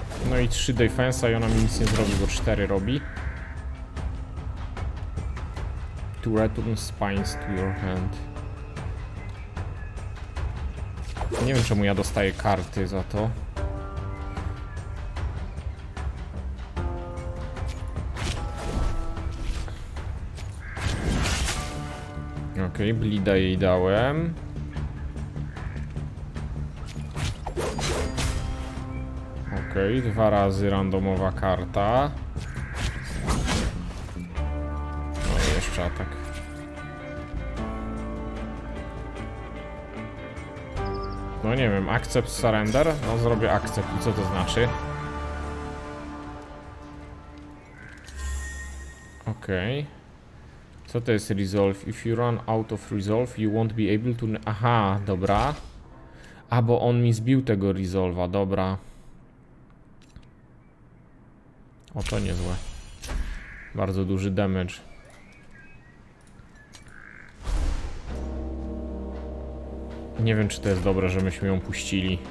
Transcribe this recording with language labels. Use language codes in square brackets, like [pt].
[pl] No i 3 defensa i ona mi nic nie zrobi, bo 4 robi. [en] To return spines to your hand. [pl] Nie wiem, czemu ja dostaję karty za to. Okej, blida jej dałem. Okej, 2 razy randomowa karta. No i jeszcze atak. No nie wiem, accept surrender? No zrobię accept, co to znaczy? Okej. Co to jest resolve? [en] If you run out of resolve, you won't be able to... [pl] Aha, dobra. A, bo on mi zbił tego resolve'a, dobra. O, to niezłe. Bardzo duży damage. Nie wiem, czy to jest dobre, że myśmy ją puścili.